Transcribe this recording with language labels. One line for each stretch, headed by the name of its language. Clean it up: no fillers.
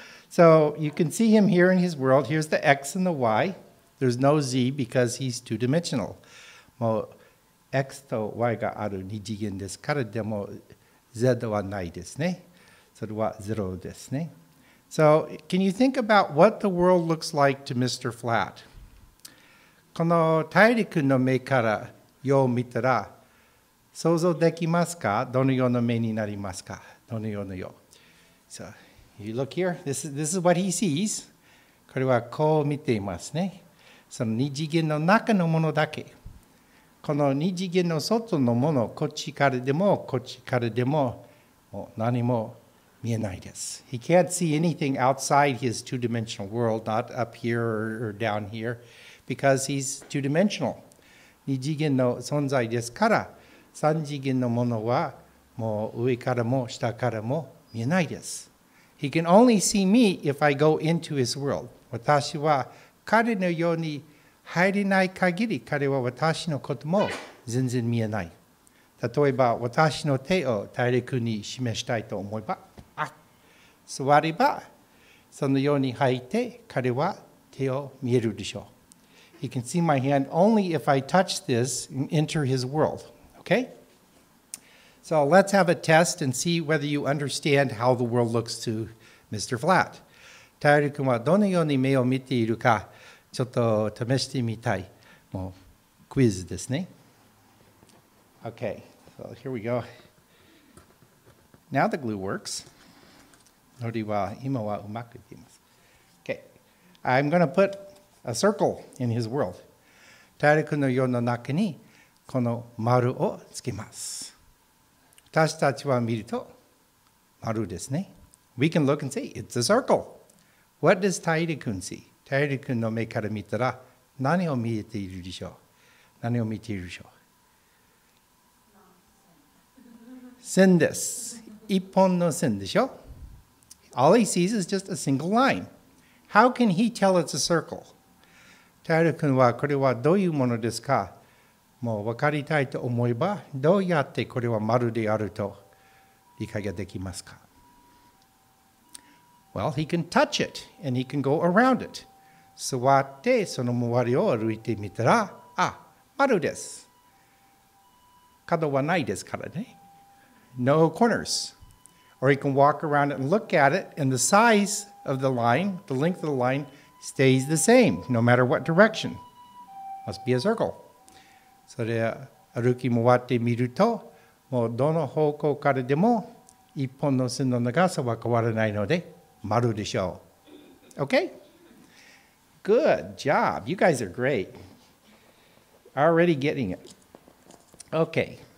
English: So you can see him here in his world. Here's the X and the Y. There's no Z because he's two-dimensional.
Japanese: もう、X と Y がある二次元ですから、でも、Z はないですね。それはゼロですね。
English: So can you think about what the world looks like to Mr. Flat?
Japanese: このタイル君の目から、よう見たら想像できますか？どのような目になりますか？どのようなよう。
English: So, you look here. This is what he sees.
Japanese: これはこう見ていますね。その二次元の中のものだけ。この二次元の外のもの、こっちからでもこっちからでも、もう何も見えないです。
English: He can't see anything outside his two-dimensional world, not up here or down here, because he's two-dimensional.
Japanese: 二次元の存在ですから、三次元のものはもう上からも下からも見えないです。
English: He can only see me if I go into his world.
Japanese: 私は彼のように入れない限り、彼は私のことも全然見えない。例えば、私の手を大陸に示したいと思えば、あ、座れば、そのように入って、彼は手を見えるでしょう。
English: He can see my hand only if I touch this and enter his world. Okay? So let's have a test and see whether you understand how the world looks to Mr. Flat.
Japanese: タイル君はどのように目を見ているかちょっと試してみたい。もうクイズですね。
English: Okay, so here we go. Now the glue works.
Japanese: ノリは今はうまくいっています。
English: Okay, I'm going to put... A circle in his world.
Japanese: 大陸の世の中にこの丸をつけます。私たちは見ると丸ですね。
English: We can look and see it's a circle. What does 大陸君 see?
Japanese: 大陸君の目から見たら何を見えているでしょう？何を見ているでしょう？線です。一本の線でしょ？
English: All he sees is just a single line. How can he tell it's a circle?
Japanese: タイル君はこれはどういうものですか？もう分かりたいと思えば、どうやってこれは丸であると理解ができますか？
English: Well, he can touch it and he can go around it.
Japanese: 座ってその周りを歩いてみたら、あ、丸です。角はないですからね。
English: No corners. Or he can walk around it and look at it and the size of the line, the length of the line,stays the same, no matter what direction. Must be a circle.
Japanese: それ歩き回ってみると、もうどの方向からでも一本の線の長さは変わらないので、丸でしょう。
English: Okay? Good job. You guys are great. Already getting it. Okay.